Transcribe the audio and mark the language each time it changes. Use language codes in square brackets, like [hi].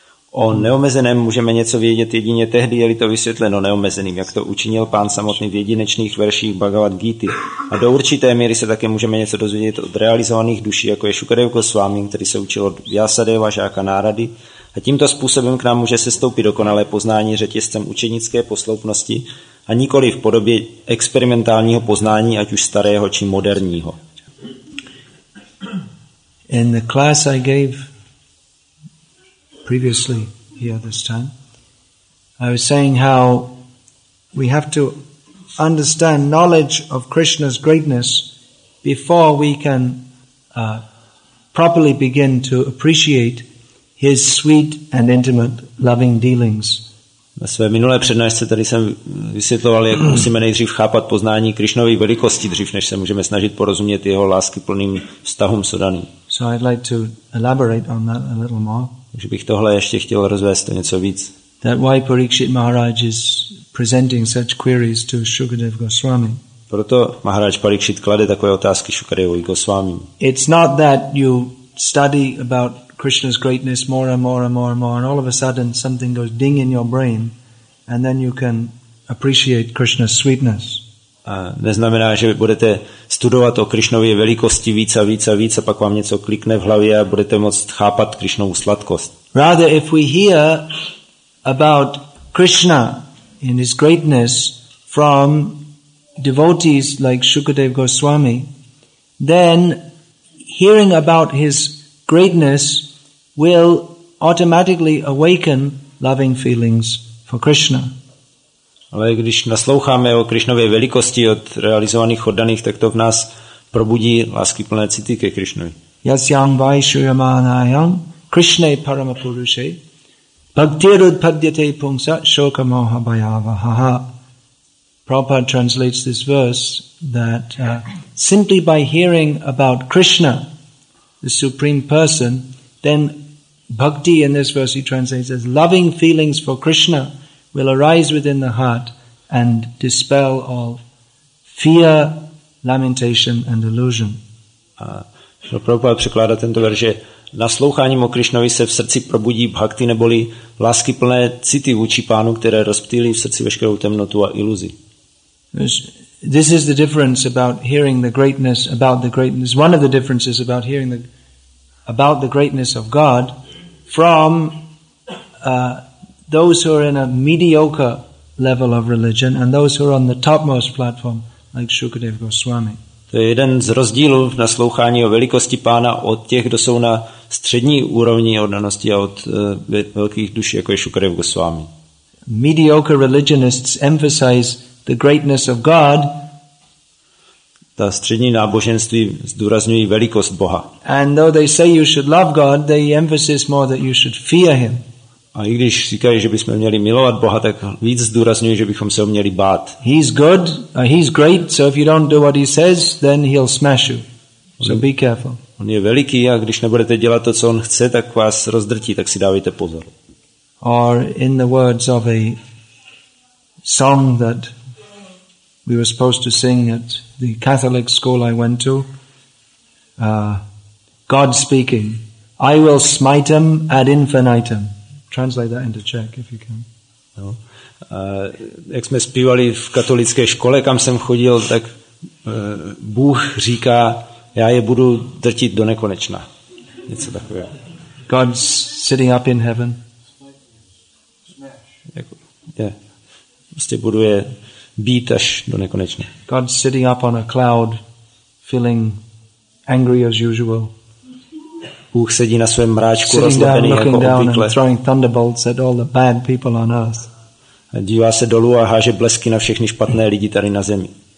[cs] O neomezeném můžeme něco vědět jedině tehdy, je-li to vysvětleno neomezeným, jak to učinil pán samotný v jedinečných verších Bhagavad Gita. A do určité míry se také můžeme něco dozvědět od realizovaných duší, jako je Shukadev Goswami, který se učil od Vyasadeva, žáka Narady. A tímto způsobem k nám může sestoupit dokonalé poznání řetězcem učenické posloupnosti a nikoli v podobě experimentálního poznání, ať už starého či moderního. [en] In the class I gave previously here this time, I was saying how we have to understand knowledge of Krishna's greatness before we can properly begin to appreciate his sweet and intimate loving dealings. [cs] Na své minulé přednášce tady jsem vysvětloval, jak musíme nejdřív chápat poznání Krišnovy velikosti, dřív než se můžeme snažit porozumět jeho láskyplným vztahům s Odaným. [en] So I'd like to elaborate on that a little more. [cs] Takže bych tohle ještě chtěl rozvést o něco víc. [en] That why Parikshit Maharaj is presenting such queries to Shukadev Goswami. [cs] Proto Maharaj Parikshit klade takové otázky Shukadevovi Goswami. [en] It's not that you study about Krishna's greatness more and more and more and more, and all of a sudden something goes ding in your brain, and then you can appreciate Krishna's sweetness. [cs] A neznamená, že budete studovat o Krišnově velikosti víc a víc a víc, a pak vám něco klikne v hlavě a budete moct chápat Krišnovu sladkost. [en] Rather, if we hear about Krishna in his greatness from devotees like Shukadev Goswami, then hearing about his greatness will automatically awaken loving feelings for Krishna. [cs] Ale když nasloucháme o Krišnově velikosti od realizovaných oddaných, tak to v nás probudí láskyplné city ke Krišnovi. [sa] Yasyam vaishuyamanayam Krishne paramapuruše bhaktirudpadyate pungsa shokamoha bhayavaha. [en] Prabhupada translates this verse that simply by hearing about Krishna, the Supreme Person, then bhakti in this verse he translates as loving feelings for Krishna will arise within the heart and dispel all fear, lamentation and illusion. [cs] A Prabhupada překládá tento verš, že nasloucháním o Krišnovi se v srdci probudí bhakti neboli láskyplné city vůči pánu, které rozptýlí v srdci veškerou temnotu a iluzi. [en] This is the difference about hearing the greatness, about the greatness, one of the differences about hearing the greatness of God from those who are in a mediocre level of religion and those who are on the topmost platform like Shukadev Goswami. [cs] To je jeden z rozdílů v naslouchání o velikosti pána od těch, kdo jsou na střední úrovni oddanosti a od velkých duší, jako je Shukadev Goswami. [en] Mediocre religionists emphasize the greatness of God. [cs] Ta střední náboženství zdůrazňují velikost Boha. [en] And though they say you should love God, they emphasize more that you should fear him. [cs] A i když říkají, že bychom měli milovat Boha, tak víc zdůrazňují, že bychom se ho měli bát. [en] He's good, he's great, so if you don't do what he says, then he'll smash you. So be careful. [cs] On je veliký, a když nebudete dělat to, co on chce, tak vás rozdrtí, tak si dávejte pozor. [en] Or in the words of a song that we were supposed to sing at the Catholic school I went to, God speaking, I will smite him ad infinitum. Translate that into Czech, if you can. [cs] No. Jak jsme zpívali v katolické škole, kam jsem chodil, tak Bůh říká, já je budu drtit do nekonečna. Něco takového. [en] God's sitting up in heaven. [cs] Prostě budu je být až do nekonečna. [en] God sitting up on a cloud feeling angry as usual. [cs] Bůh sedí na svém mráčku rozlepený jako obvykle. [en] Throwing thunderbolts at all the bad people on earth. [cs] Dívá se dolů a háže blesky na všechny špatné lidi tady na zemi.